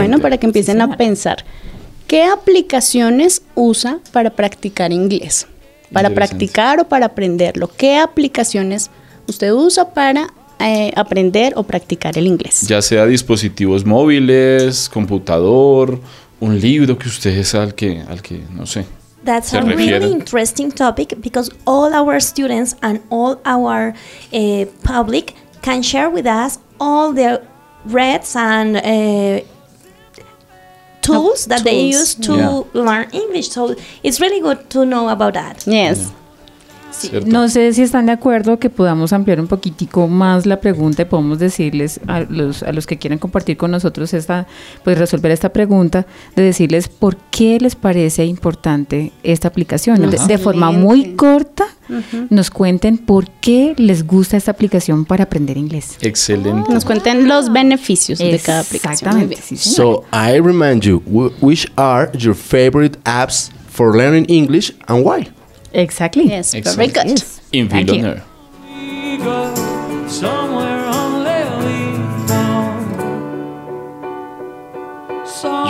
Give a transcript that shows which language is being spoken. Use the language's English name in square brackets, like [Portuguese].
[Spanish] Bueno, para que empiecen a pensar, ¿qué aplicaciones usa para practicar inglés? Para practicar o para aprenderlo. ¿Qué aplicaciones usted usa para aprender o practicar el inglés? Ya sea dispositivos móviles, computador, un libro que usted es al que no sé. [English] That's a really interesting topic because all our students and all our public can share with us all the reads and tools that they use to learn English. So it's really good to know about that. Yes. Yeah. [Spanish] Cierto. No sé si están de acuerdo que podamos ampliar un poquitico más la pregunta y podemos decirles a los que quieren compartir con nosotros esta, pues resolver esta pregunta, de decirles por qué les parece importante esta aplicación. De forma muy corta, nos cuenten por qué les gusta esta aplicación para aprender inglés. Excelente. Nos cuenten los beneficios de cada aplicación. Exactamente. [English] So, I remind you, which are your favorite apps for learning English and why? Exactly. Yes, exactly. Very good. In Vill on Air.